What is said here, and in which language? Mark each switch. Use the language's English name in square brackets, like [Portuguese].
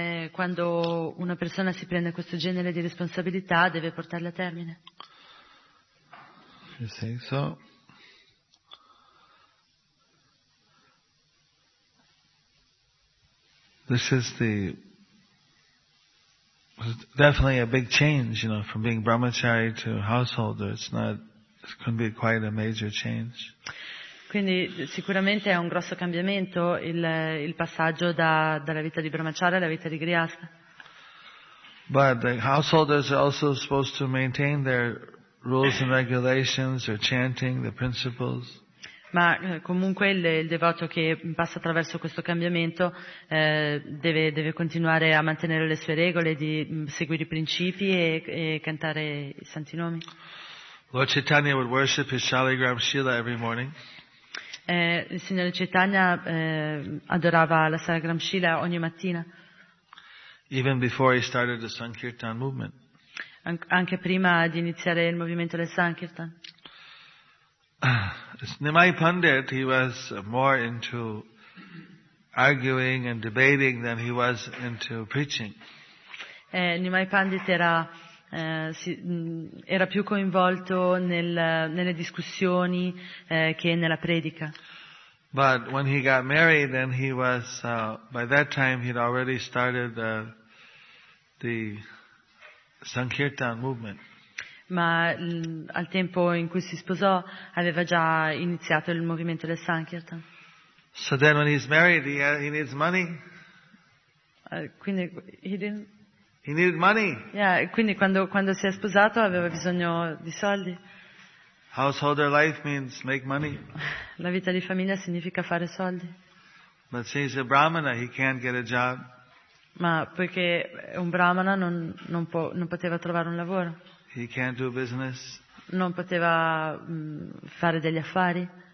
[Italian] quando una persona si prende questo genere di responsabilità deve portarla a termine. Nel senso, [English] this is the definitely a big change, you know, from being brahmachari to householder. It's not, it can be quite a major change. [Italian] Quindi sicuramente è un grosso cambiamento il passaggio dalla vita di brahmachari alla vita di grihastha. [English] But the householders are also supposed to maintain their rules and regulations, their chanting, the principles. [Italian] Ma comunque il devoto che passa attraverso questo cambiamento deve continuare a mantenere le sue regole, di seguire i principi e cantare i santi nomi. [English] Lord Chaitanya would worship his Shaligram Shila every morning. [Italian] Il signore Chaitanya adorava la Shaligram Shila ogni mattina. [English] Even before he started the Sankirtan movement. [Italian] Anche prima di iniziare il movimento del Sankirtan. [English] Nimai Pandit, he was more into arguing and debating than he was into preaching. [Italian] Nimai Pandit era più coinvolto nelle discussioni che nella predica. [English] But when he got married, then he was by that time he'd already started the Sankirtan movement. [Italian] Ma al tempo in cui si sposò aveva già iniziato il movimento del Sankirtan. [English] So then when he's married he needs money. [Italian] Quindi [English] he needed money. [Italian] Yeah, quindi quando si è sposato aveva bisogno di soldi. [English] Householder life means make money. [Italian] La vita di famiglia significa fare soldi. [English] But since he's a brahmana he can't get a job. [Italian] Ma poiché è un brahmana non poteva trovare un lavoro. [English] He can't do business. [Italian] Non poteva fare degli affari.